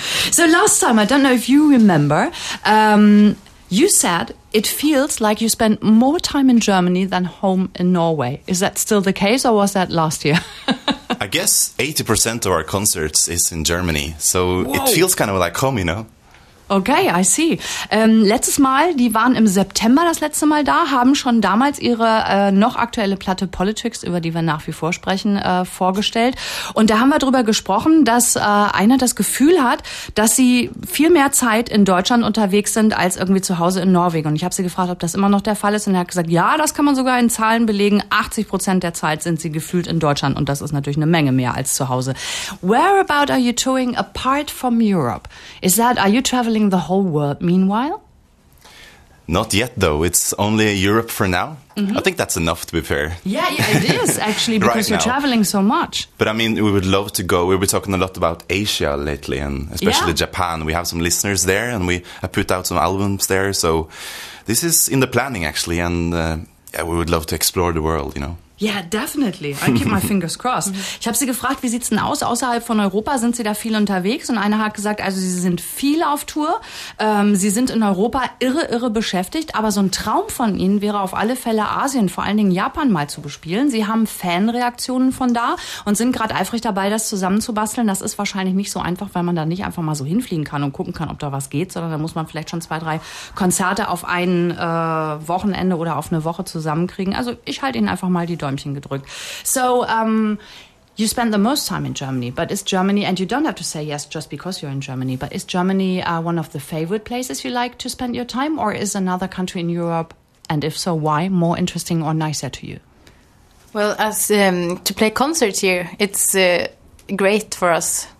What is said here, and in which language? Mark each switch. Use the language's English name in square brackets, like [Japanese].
[English] So last time, I don't know if you remember, you said it feels like you spent more time in Germany than home in Norway. Is that still the case or was that last year? I guess 80% of our concerts is in Germany. So Whoa. It feels kind of like home, you know? Okay, I see. [German] Letztes Mal, die waren im September das letzte Mal da, haben schon damals ihre noch aktuelle Platte Politics, über die wir nach wie vor sprechen, vorgestellt. Und da haben wir drüber gesprochen, dass einer das Gefühl hat, dass sie viel mehr Zeit in Deutschland unterwegs sind als irgendwie zu Hause in Norwegen. Und ich habe sie gefragt, ob das immer noch der Fall ist. Und er hat gesagt, ja, das kann man sogar in Zahlen belegen. 80% der Zeit sind sie gefühlt in Deutschland. Und das ist natürlich eine Menge mehr als zu Hause. [English] Where about are you touring apart from Europe? Is that, are you traveling the whole world meanwhile? Not yet, though. It's only Europe for now. Mm-hmm. I think that's enough, to be fair. Yeah, it is, actually, because you're now. Traveling so much. But, I mean, we would love to go. We've been talking a lot about Asia lately, and especially Japan. We have some listeners there, and we have put out some albums there. So this is in the planning, actually, and we would love to explore the world, you know. Yeah, definitely. I keep my fingers crossed. [German] Ich habe sie gefragt, wie sieht's denn aus außerhalb von Europa? Sind sie da viel unterwegs? Und einer hat gesagt, also sie sind viel auf Tour. Sie sind in Europa irre beschäftigt. Aber so ein Traum von ihnen wäre auf alle Fälle Asien, vor allen Dingen Japan mal zu bespielen. Sie haben Fanreaktionen von da und sind gerade eifrig dabei, das zusammenzubasteln. Das ist wahrscheinlich nicht so einfach, weil man da nicht einfach mal so hinfliegen kann und gucken kann, ob da was geht. Sondern da muss man vielleicht schon 2-3 Konzerte auf ein Wochenende oder auf eine Woche zusammenkriegen. Also ich halte ihnen einfach mal die Däumchen gedrückt. [English] So, you spend the most time in Germany, but is Germany, and you don't have to say yes just because you're in Germany, but is Germany one of the favorite places you like to spend your time, or is another country in Europe, and if so, why, more interesting or nicer to you? Well, as to play concerts here, it's great for us.